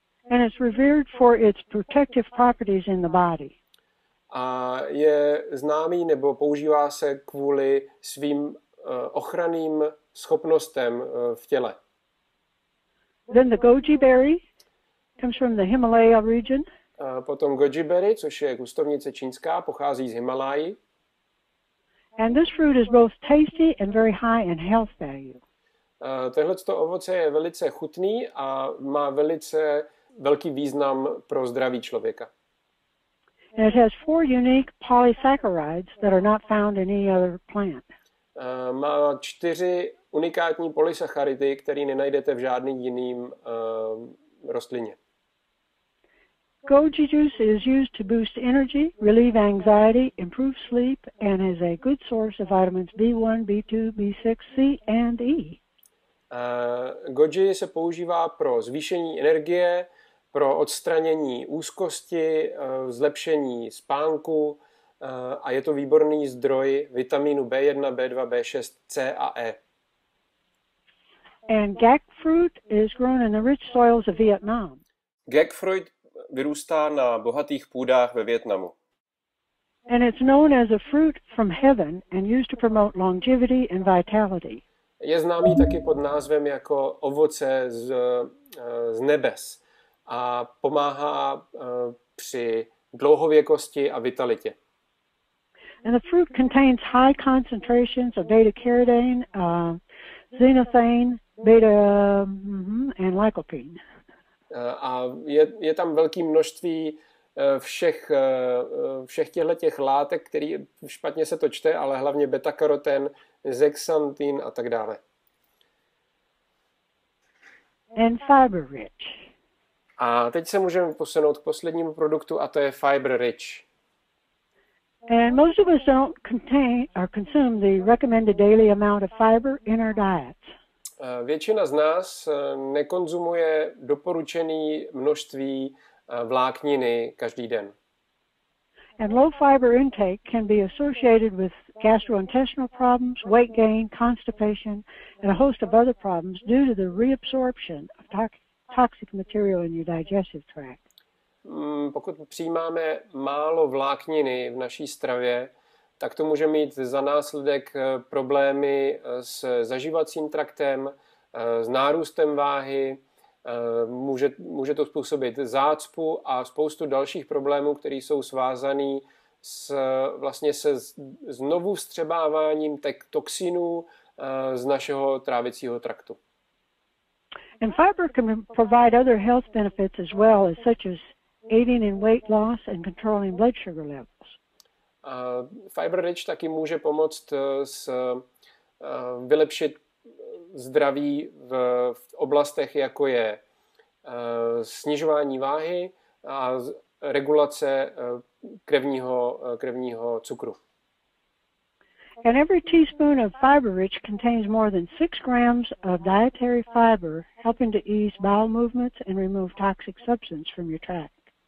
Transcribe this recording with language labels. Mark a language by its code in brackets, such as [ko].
[en] And it's revered for its protective properties in the body. [cs] A je známý nebo používá se kvůli svým ochranným schopnostem v těle. [en] Then the goji berry comes from the Himalaya region. [cs] Potom goji berry, což je kustovnice čínská, pochází z Himalají. [en] And this fruit is both tasty and very high in health value. [cs] Tohleto ovoce je velice chutný a má velice velký význam pro zdraví člověka. [en] And it has four unique polysaccharides that are not found in any other plant. [cs] Má 4 unikátní polysacharidy, které nenajdete v žádný jiným rostlině. [en] Goji juice is used to boost energy, relieve anxiety, improve sleep, and is a good source of vitamins B1, B2, B6, C and E. [cs] Goji se používá pro zvýšení energie, pro odstranění úzkosti, zlepšení spánku a je to výborný zdroj vitaminu B1, B2, B6, C a E. [en] And gak fruit is grown in the rich soils of Vietnam. [cs] Gak fruit vyrůstá na bohatých půdách ve Vietnamu. [en] And it's known as a fruit from heaven and used to promote longevity and vitality. [cs] Je známý taky pod názvem jako ovoce z nebes a pomáhá při dlouhověkosti a vitalitě. [en] And the fruit contains high concentrations of beta carotene, xanthan, beta and lycopene. [cs] A je tam velké množství všech těchto látek, které špatně se to čte, ale hlavně beta-karoten, zeaxanthin a tak dále. [en] And fiber rich. [cs] A teď se můžeme posunout k poslednímu produktu a to je fiber rich. [en] And most of us don't contain or consume the recommended daily amount of fiber in our diets. [cs] Většina z nás nekonzumuje doporučené množství vlákniny každý den. [en] And low fiber intake can be associated with gastrointestinal problems, weight gain, constipation, and a host of other problems due to the reabsorption of toxic material in your digestive tract. [cs] Pokud přijímáme málo vlákniny v naší stravě, tak to může mít za následek problémy s zažívacím traktem, s nárůstem váhy, může to způsobit zácpu a spoustu dalších problémů, které jsou svázané s vlastně se znovu vstřebáváním toxinů z našeho trávicího traktu. [en] And fiber can provide other health benefits as well, as such as aiding in weight loss and controlling blood sugar levels. [cs] Fiber rich taky může pomoct s vylepšit zdraví v oblastech, jako je snižování váhy a regulace krevního cukru. [en] And every teaspoon of fiber rich contains more than 6 grams of dietary fiber, helping to ease bowel movements and remove toxic substance from your tract.